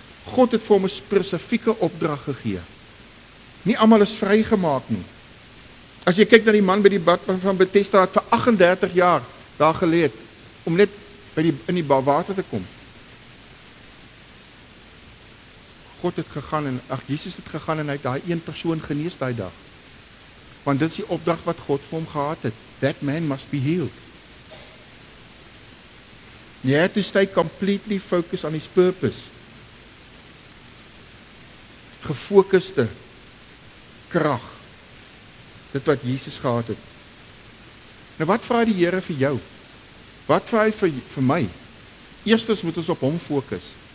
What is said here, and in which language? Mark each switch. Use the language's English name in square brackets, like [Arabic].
[Afrikaans] God het vir hom 'n spesifieke opdrag gegee. Nie almal is vrygemaak nie. As jy kyk na die man by die bad van Bethesda wat vir 38 jaar daar geleë het om net by die in die water te kom. God het gegaan en Jesus het gegaan en hy het daai een persoon genees daai dag. Want dit is die opdrag wat God vir hom gehad het. [English] That man must be healed. You have to stay completely focused on his purpose. [Afrikaans] Gefokuste krag. Dit wat Jesus gehad het. Nou wat vra die Here vir jou Wat vir hy vir my? Eerstens moet ons op hom fokus.